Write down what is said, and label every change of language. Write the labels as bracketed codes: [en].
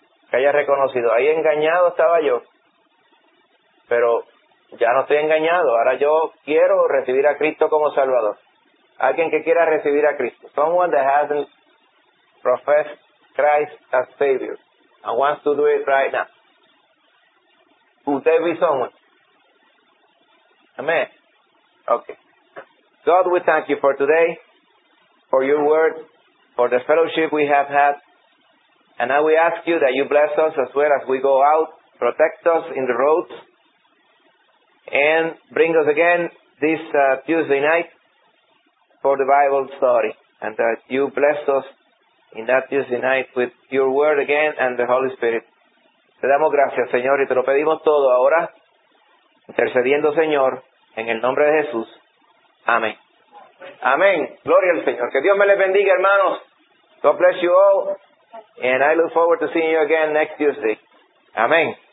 [es] Que haya reconocido, ahí engañado estaba yo, pero ya no estoy engañado, ahora yo quiero recibir a Cristo como Salvador. Alguien que quiera recibir a Cristo. [en] Someone that hasn't professed Christ as Savior and wants to do it right now. Would there be someone? Amen. Okay. God, we thank you for today, for your word, for the fellowship we have had. And now we ask you that you bless us as well as we go out, protect us in the roads, and bring us again this Tuesday night for the Bible study, and that you bless us in that Tuesday night with your word again and the Holy Spirit. [es] Te damos gracias, Señor, y te lo pedimos todo ahora, intercediendo, Señor, en el nombre de Jesús. Amén. Amén. Gloria al Señor. Que Dios me les bendiga, hermanos. [en] God bless you all. And I look forward to seeing you again next Tuesday. Amen.